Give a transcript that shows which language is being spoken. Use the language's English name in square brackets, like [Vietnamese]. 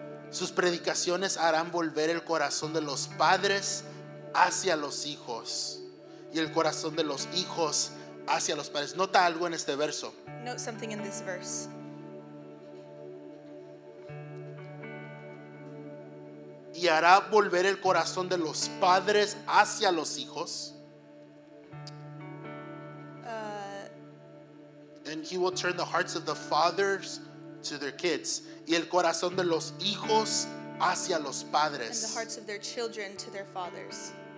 [Spanish] Sus predicaciones harán volver el corazón de los padres hacia los hijos y el corazón de los hijos hacia los padres. Nota algo en este verso. [English] Note something in this verse. [Spanish] Y hará volver el corazón de los padres hacia los hijos. [English] And he will turn the hearts of the fathers to their kids. [Spanish] Y el corazón de los hijos hacia los padres. [English] And the hearts of their children to their fathers.